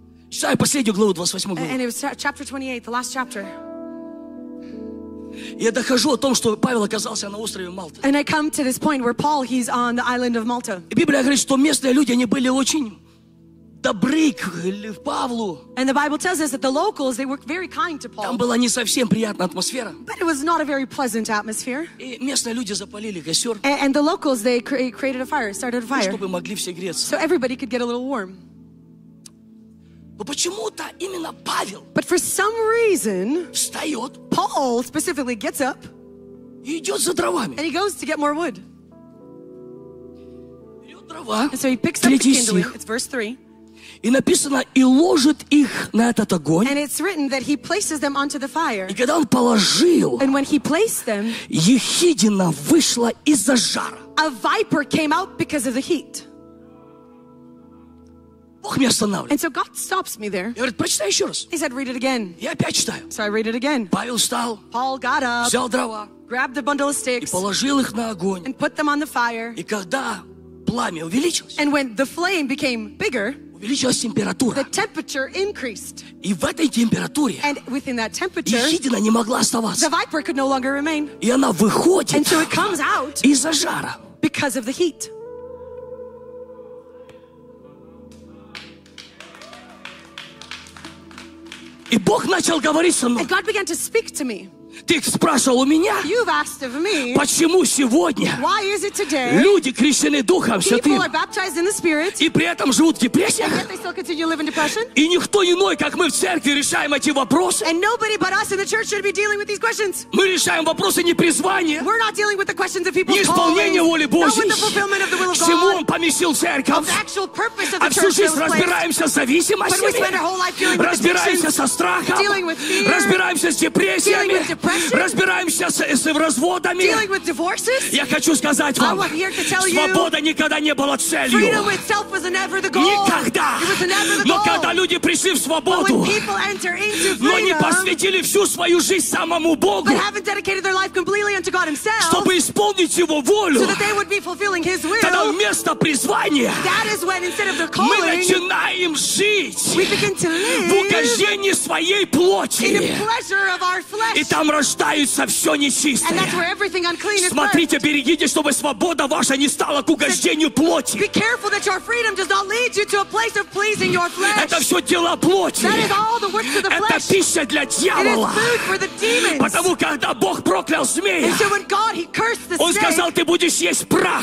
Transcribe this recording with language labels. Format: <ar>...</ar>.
<ru>Читаю последнюю главу, 28 главу.</ru> <en>And it was chapter 28, the last chapter.</en> <ru>Я дохожу о том, что Павел оказался на острове Мальта.</ru> <en>And I come to this point where Paul, he's on the island of Malta.</en> <ru>И Библия говорит, что местные люди, они были очень добры к Павлу.</ru> <en>And the Bible tells us that the locals, they were very kind to Paul.</en> <ru>Там была не совсем приятная атмосфера.</ru> <en>But it was not a very pleasant atmosphere.</en> <ru>И местные люди запалили костер.</ru> <en>And the locals, they created a fire, started a fire.</en> <ru>Ну, чтобы могли все греться.</ru> <en>So everybody could get a little warm.</en> <ru>Но почему-то именно Павел.</ru> <en>But for some reason,</en> <ru>встает.</ru> <en>Paul specifically gets up.</en> <ru>И идет за дровами.</ru> <en>And he goes to get more wood.</en> <ru>Берет дрова.</ru> <en>And so he picks up the kindling. It's verse 3.</en> <ru>И написано, и ложит их на этот огонь.</ru> <en>And it's written that he places them onto the fire.</en> <ru>И когда он положил.</ru> <en>And when he placed them.</en> <ru>Ехидина вышла из-за жара.</ru> <en>A viper came out because of the heat. And so God stops me there. He said, read it again. So I read it again. Paul got up, grabbed the bundle of sticks, and put them on the fire. And when the flame became bigger,</en> <ru>увеличилась температура.</ru> <en>The temperature increased.</en> <ru>И в этой температуре</ru> <en>and within that temperature,</en> <ru>ехидина не могла оставаться.</ru> <en>The viper could no longer remain.</en> <ru>И она выходит</ru> <en>and so it comes out</en> <ru>из-за жара.</ru> <en>Because of the heat.</en> <ru>И Бог начал говорить со мной.</ru> <en>And God began to speak to me.</en> <ru>Ты спрашивал у меня,</ru> <en>you've asked of me,</en> <ru>почему сегодня</ru> <en>why is it today,</en> <ru>люди крещены Духом Святым</ru> <en>people are baptized in the Spirit,</en> <ru>и при этом живут в депрессиях,</ru> <en>and yet they still continue to live in depression,</en> <ru>и никто иной, как мы в церкви, решаем эти вопросы.</ru> <en>And nobody but us in the church should be dealing with these questions.</en> <ru>Мы решаем вопросы не призвания,</ru> <en>we're not dealing with the questions of people's calling,</en> <ru>не исполнение воли Божьей,</ru> <en>not with the fulfillment of the will of God,</en> <ru>к чему Он поместил церковь,</ru> <en>of the actual purpose of the</en> <ru>а всю жизнь разбираемся с зависимостями,</ru> <en>but we spend our whole life dealing with</en> <ru>разбираемся со страхом,</ru> <en>dealing with fear,</en> <ru>разбираемся с депрессиями,</ru> <en>dealing with depression.</en> <ru>разбираемся с разводами.</ru> <en>Dealing with divorces?</en> <ru>Я хочу сказать вам, свобода никогда не была целью.</ru> <en>Freedom itself was never the goal.</en> <ru>Никогда.</ru> <en>It was never the goal.</en> <ru>Но когда люди пришли в свободу,</ru> <en>but when people enter into freedom,</en> <ru>но не посвятили всю свою жизнь самому Богу,</ru> <en>but haven't dedicated their life completely unto God himself,</en> <ru>чтобы исполнить Его волю,</ru> <en>so that they would be fulfilling His will,</en> <ru>тогда вместо призвания,</ru> <en>that is when, instead of the calling,</en> <ru>мы начинаем жить,</ru> <en>we begin to live</en> <ru>в угождении своей плоти.</ru> <en>In the pleasure of our flesh.</en> <ru>И там рождается все нечистое.</ru> <en>And that's where everything unclean is.</en> <ru>Смотрите, берегите, чтобы свобода ваша не стала к угождению плоти.</ru> <en>Be careful that your freedom does not lead you to a place of pleasing your flesh.</en> <ru>Это все дела плоти.</ru> <en>That is all the works of the flesh.</en> <ru>Это пища для дьявола.</ru> <en>It is food for the demons.</en> <ru>Потому когда Бог проклял змея,</ru> <en>and so when God, he cursed the</en> <ru>Он сказал, ты будешь есть прах.</ru>